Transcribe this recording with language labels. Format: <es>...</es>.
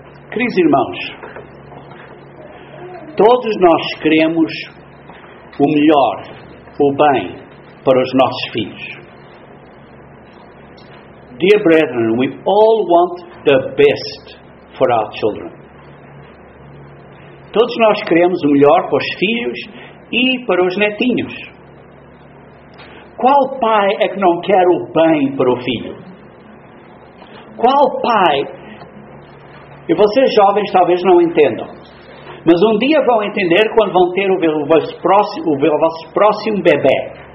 <pt>Queridos irmãos, todos nós queremos o melhor, o bem, para os nossos filhos.</pt> <en>Dear brethren, we all want the best for our children.</en> <pt>Todos nós queremos o melhor para os filhos e para os netinhos. Qual pai é que não quer o bem para o filho? Qual pai... E vocês jovens talvez não entendam. Mas um dia vão entender quando vão ter o vosso próximo bebê.</pt>